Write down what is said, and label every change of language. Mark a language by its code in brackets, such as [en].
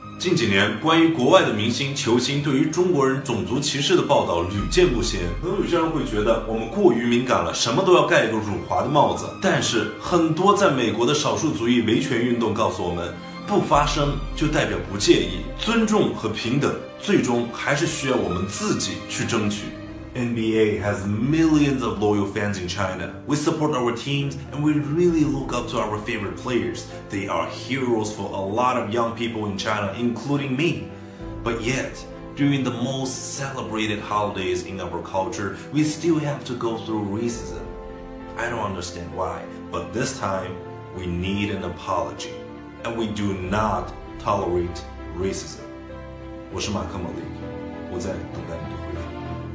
[zh] 近几年关于国外的明星球星对于中国人种族歧视的报道屡见不鲜，可能有些人会觉得我们过于敏感了，什么都要盖一个辱华的帽子。但是很多在美国的少数族裔维权运动告诉我们，不发声就代表不介意，尊重和平等最终还是需要我们自己去争取。 [en] NBA has millions of loyal fans in China. We support our teams and we really look up to our favorite players. They are heroes for a lot of young people in China, including me. But yet, during the most celebrated holidays in our culture, we still have to go through racism. I don't understand why, but this time, we need an apology. And we do not tolerate racism. [zh] 我是马克·马利，我在等待你的回复。